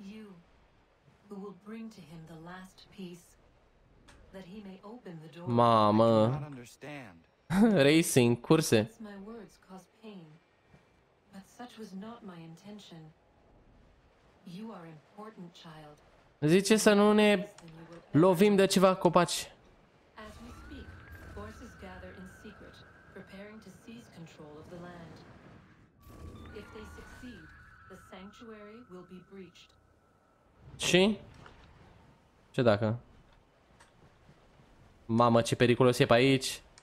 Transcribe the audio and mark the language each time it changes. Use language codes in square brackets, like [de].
[en] You, who will bring to him the last piece, that he may open the door. Mamă. Racing, curse. My words cause pain. But such was not my intention. You are important, child. [ro] Zice să nu ne lovim de ceva copaci. [en] As we speak, forces gather in secret, preparing to seize control of the land. If they succeed, the sanctuary will be breached. [ro] Și? Ce dacă? Mamă, ce periculos e pe aici.